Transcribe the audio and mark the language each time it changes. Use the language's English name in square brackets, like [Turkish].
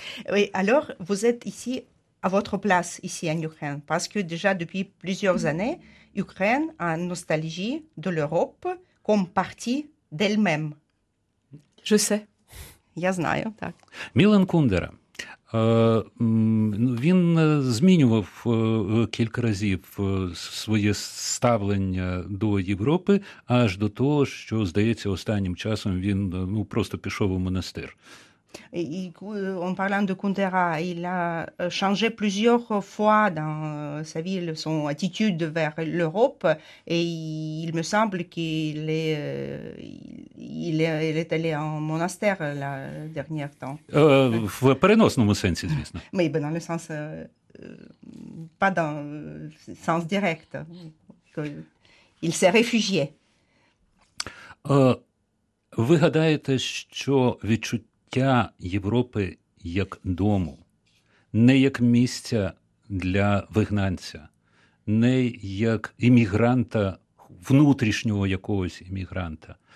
[French] Oui, alors vous êtes ici à votre place ici en Ukraine, parce que déjà depuis plusieurs années, Ukraine a nostalgie de l'Europe comme partie d'elle-même. Je sais. [Ukrainian] Я знаю, так. Мілан Кундера. Він змінював кілька разів своє ставлення до Європи, аж до того, що, здається, останнім часом він просто пішов у монастир. [French] И en parlant de Kundera, il a changé plusieurs fois dans sa vie son attitude vers l'Europe et il me semble qu'il est il est allé en monastère la dernière temps. [Ukrainian] В переносному сенсі, звісно. [French] Mais ben dans le sens pas dans sens direct. Il s'est réfugié. [Ukrainian] Ви гадаєте, що відчуття Європи як дому, не як місця для вигнанця, не як іммігранта, внутрішнього якогось іммігранта.